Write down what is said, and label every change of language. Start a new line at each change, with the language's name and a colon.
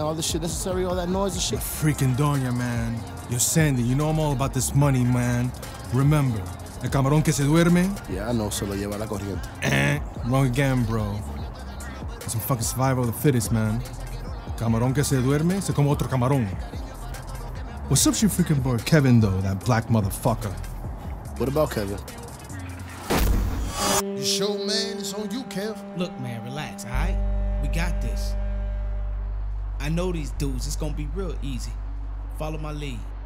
English: All this shit necessary, all that noise and shit. Freaking Doña, man. You're Sandy. You know I'm all about this money, man. Remember,
Spanish: el camarón que se duerme?
English: Yeah, I know.
Spanish: Se lo lleva la corriente.
English: Wrong again, bro. It's a fucking survival of the fittest, man.
Spanish: Camarón que se duerme, se come otro camarón.
English: What's up, you freaking boy Kevin, though, that black motherfucker? What about Kevin? You sure, man? It's on you, Kev. Look, man, relax, all right? We got this. I know these dudes, it's gonna be real easy. Follow my lead.